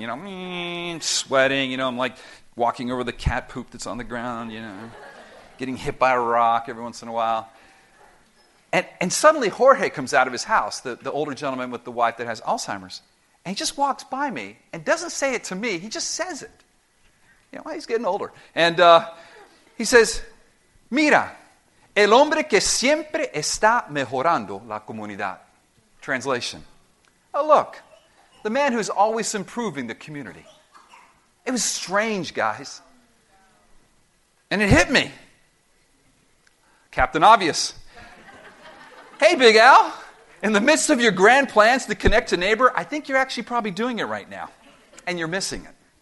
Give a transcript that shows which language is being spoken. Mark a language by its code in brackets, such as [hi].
[en] You know, sweating, you know, I'm like walking over the cat poop that's on the ground, you know, getting hit by a rock every once in a while. And suddenly Jorge comes out of his house, the older gentleman with the wife that has Alzheimer's, and he just walks by me and doesn't say it to me. He just says it. You know, well, he's getting older. And he says, [es] mira, el hombre que siempre está mejorando la comunidad. [en] Translation. Oh, look, the man who's always improving the community. It was strange, guys. And it hit me. Captain Obvious. Hey, Big Al. In the midst of your grand plans to connect to neighbor, I think you're actually probably doing it right now. And you're missing it.